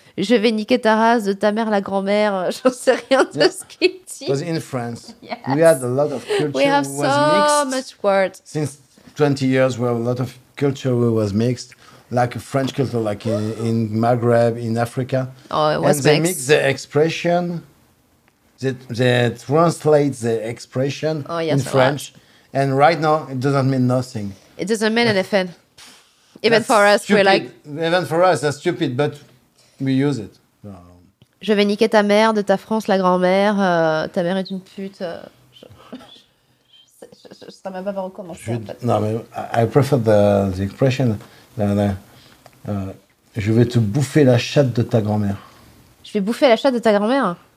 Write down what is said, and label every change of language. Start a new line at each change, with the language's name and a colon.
French: Je vais niquer ta race de ta mère, la grand-mère. Je ne sais rien de ce qu'il dit.
English: Because in France, we had a lot of culture. We have so much words. Since 20 years, where a lot of culture was mixed, like French culture, like in Maghreb, in Africa. Oh, it was They mix the expression... They translate the expression in French. And right now, it doesn't mean nothing. It doesn't mean anything. Even for us, we're like... Even for us, that's stupid, but we use it.
French: Je vais niquer ta mère de ta France, la grand-mère. Ta mère est une pute. Je serais même pas avoir commencé, en fait. Non, mais
English: I prefer the expression.
French: Je vais te bouffer la chatte de ta grand-mère. Je vais bouffer la chatte de ta grand-mère.